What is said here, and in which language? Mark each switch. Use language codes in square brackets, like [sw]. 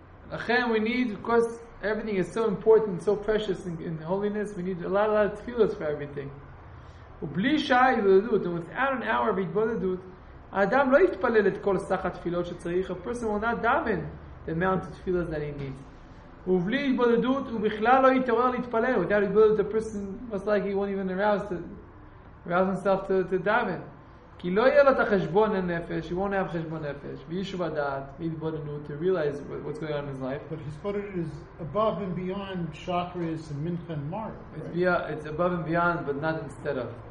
[en] Lachem, we need, of course, everything is so important, so precious in holiness. We need a lot of tefillos for everything. And without an hour of התבודדות, [he] האדם לא יתפלל את כל סך התפילות שצריך. [en] A person will not daven the amount of tefillos that he needs. [he] ובלי התבודדות, הוא בכלל לא יתעורר להתפלל. [en] Without התבודדות, a person most likely won't even arouse himself to daven. [he] כי לא יהיה לו את החשבון הנפש, [en] he won't have [he] חשבון נפש. וישוב הדעת, [en] התבודדות, to realize what's going on in his life. But his bodhidut is above and beyond chakras and mincha and mar. Right? It's above and beyond, but not instead of.